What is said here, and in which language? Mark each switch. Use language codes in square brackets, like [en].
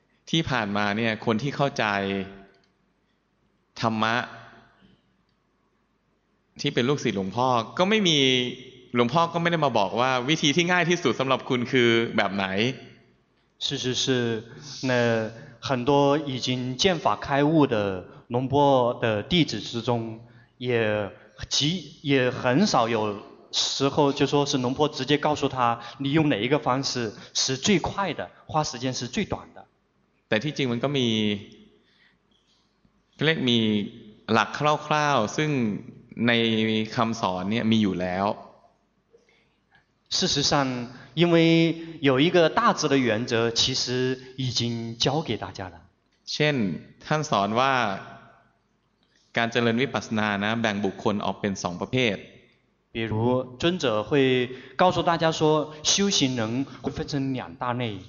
[th] ที่ผ่านมาเนี่ยคนที่เข้าใจธรรมะที่เป็นลูกศิษย์หลวงพ่อก็ไม่มีหลวงพ่อก็ไม่ได้มาบอกว่าวิธีที่ง่ายที่สุดสำหรับคุณคือแบบไหน [zh] 是是是那很多已经见法开悟的龙波的弟子之中也很少有时候就说是龙波直接告诉他你用哪一个方式是最快的花时间是最短的 [th] แต่ที่จริงมันก็มีเรียกมีหลักคร่าวๆซึ่งในคำสอนเนี่ยมีอยู่แล้ว [zh] 事实上因为有一个大致的原则其实已经教给大家了 [th] เช่นท่านสอนว่าการเจริญวิปัสสนานะแบ่งบุคคลออกเป็นสองประเภท [zh] 比如尊者会告诉大家说修行人会分成两大类